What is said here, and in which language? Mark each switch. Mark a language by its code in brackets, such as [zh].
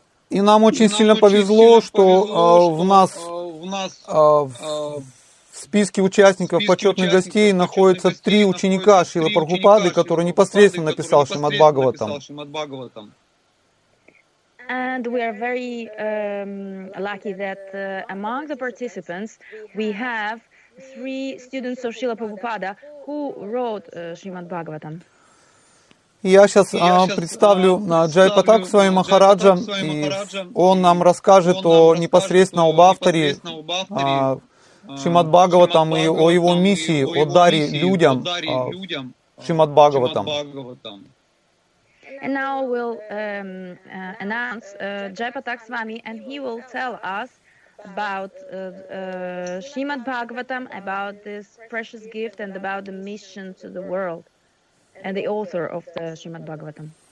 [ru] И нам очень сильно повезло, что в нас в списке участников почетных гостей находятся три ученика Шрилы Прабхупады, который непосредственно написал Шримад Бхагаватам. [en] And we are very lucky that among the participants we have three students of Srila Prabhupada who wrote Srimad Bhagavatam. [ru] Я сейчас представлю Джай Патаку Свами Махараджа, и он нам расскажет о непосредственно об авторе Шримад Бхагаватам и о его миссии, о даре людям Шримад Бхагаватам. [en] And now we'll announce Jai Patak Swami, and he will tell us about Srimad Bhagavatam, about this precious gift, and about the mission to the world, and the author of the Srimad Bhagavatam.